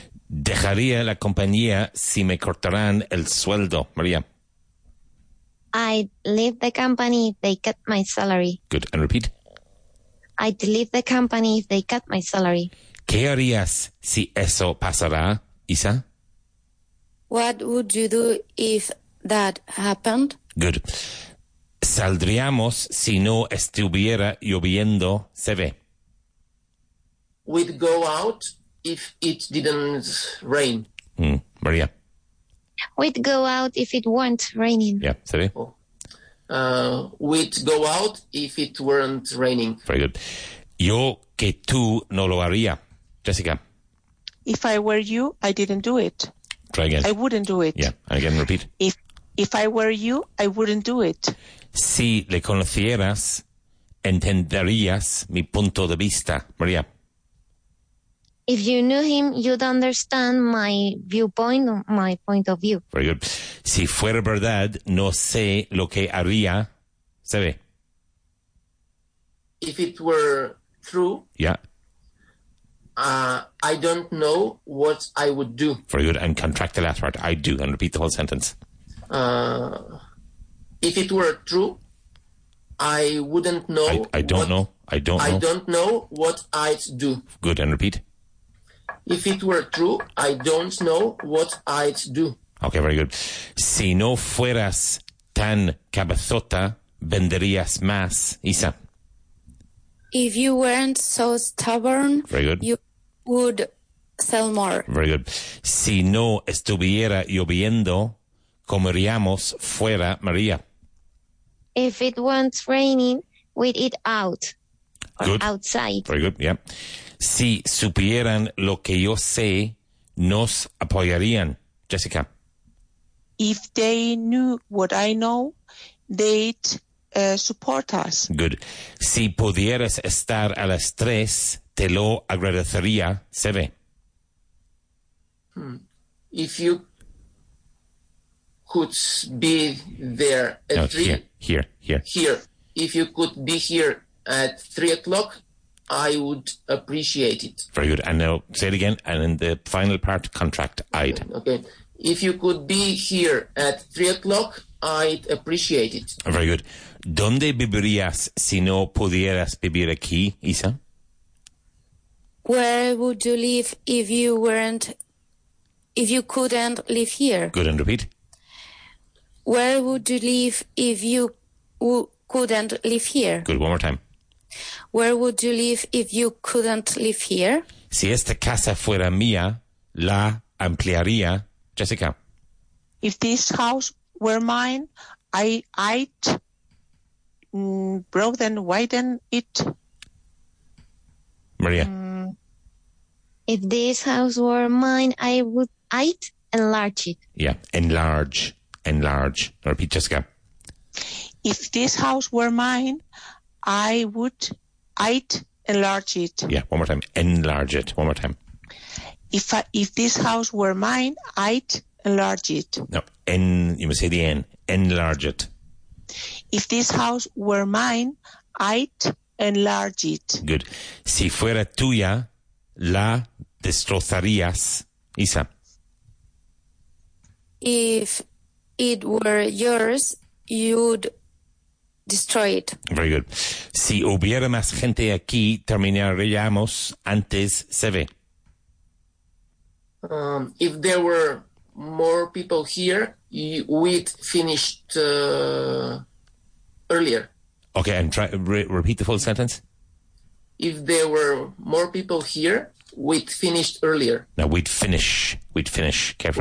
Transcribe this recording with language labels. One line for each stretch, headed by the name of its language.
Spanish: Dejaría la compañía si me cortaran el sueldo, María.
English: I'd leave the company if they cut my salary. Good, and repeat. I'd leave the company if they cut my salary.
Spanish: ¿Qué harías si eso pasara, Isa?
English: What would you do if that happened? Good.
Spanish: ¿Saldríamos si no estuviera lloviendo, Seve?
English: We'd go out if it didn't rain. María. We'd go out if it weren't raining. Yeah, Seve. Oh. We'd go out if it weren't raining. Very good.
Spanish: Yo que tú no lo haría, Jessica.
English: If I were you, I didn't do it. Try again. I wouldn't do it. Yeah, and again, repeat. If I were you, I wouldn't do it.
Spanish: Si le conocieras, entenderías mi punto de vista, María.
English: If you knew him, you'd understand my viewpoint, my point of view. Very good.
Spanish: Si fuera verdad, no sé lo que haría. ¿Se ve?
English: If it were true, I don't know what I would do. Very good. And contract the last part. I do. And repeat the whole sentence. If it were true, I wouldn't know. I don't know. I don't know what I'd do. Good. And repeat. If it were true, I don't know what I'd do. Okay, very good.
Spanish: Si no fueras tan cabezota, venderías más, Isa.
English: If you weren't so stubborn, very good. You would sell more. Very good.
Spanish: Si no estuviera lloviendo, comeríamos fuera, María.
English: If it weren't raining, we'd eat out. Good. Outside. Very good, yeah.
Spanish: Si supieran lo que yo sé, nos apoyarían, Jessica.
English: If they knew what I know, they'd support us. Good.
Spanish: Si pudieras estar a las tres, te lo agradecería, Seve.
English: If you could be there at three. Here. If you could be here at 3 o'clock, I would appreciate it. Very good. And now say it again, and in the final part, contract I'd. Okay. If you could be here at 3 o'clock, I'd appreciate it. Very good.
Spanish: ¿Dónde vivirías si no pudieras vivir aquí, Isa?
English: Where would you live if you couldn't live here? Good, and repeat. Where would you live if you couldn't live here? Good, one more time. Where would you live if you couldn't live here?
Spanish: Si esta casa fuera mía, la ampliaría, Jessica.
English: If this house were mine, I'd widen it. Maria. If this house were mine, I'd enlarge it. Yeah, enlarge. Repeat, Jessica. If this house were mine, I'd enlarge it. Yeah, one more time. Enlarge it. One more time. If this house were mine, I'd enlarge it. You must say the N. Enlarge it. If this house were mine, I'd enlarge it. Good.
Spanish: Si fuera tuya, la destrozarías, Isa.
English: If it were yours, you'd destroy it. Very good.
Spanish: Si hubiera más gente aquí, terminaríamos antes, se ve.
English: If there were more people here, we'd finished earlier. Okay, and try repeat the full sentence. If there were more people here, we'd finished earlier. Now we'd finish. We'd finish. Care for